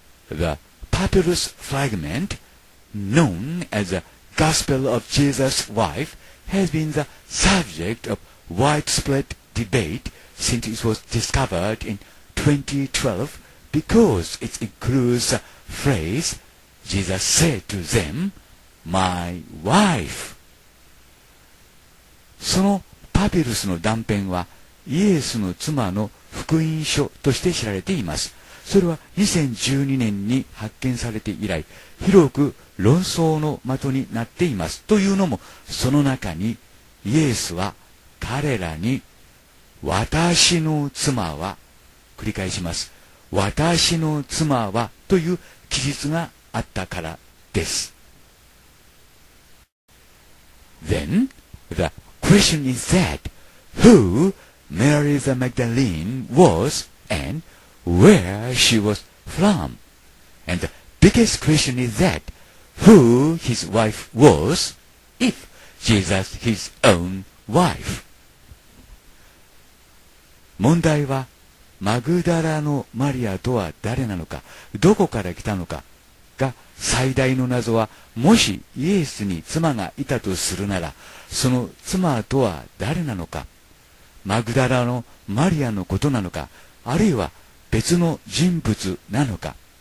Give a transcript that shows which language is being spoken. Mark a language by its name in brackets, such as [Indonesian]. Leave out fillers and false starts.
[English] The papyrus fragmentKnown as the Gospel of Jesus' wife, has been the subject of widespread debate since it was discovered in 2012 because it includes the phrase Jesus said to them, My wife. [Japanese] そのパピルスの断片はイエスの妻の福音書として知られています。それは2012年に発見されて以来、広く論争の的になっています。というのも、その中にイエスは彼らに、私の妻は、繰り返します、私の妻はという記述があったからです。 [English] Then the question is that who Mary the Magdalene was and where she was from, and the biggest question is thatWho his wife was, if Jesus his own wife. [Japanese] 問題は、マグダラのマリアとは誰なのか、どこから来たのかが最大の謎は、もしイエスに妻がいたとするなら、その妻とは誰なのか、マグダラのマリアのことなのか、あるいは別の人物なのか。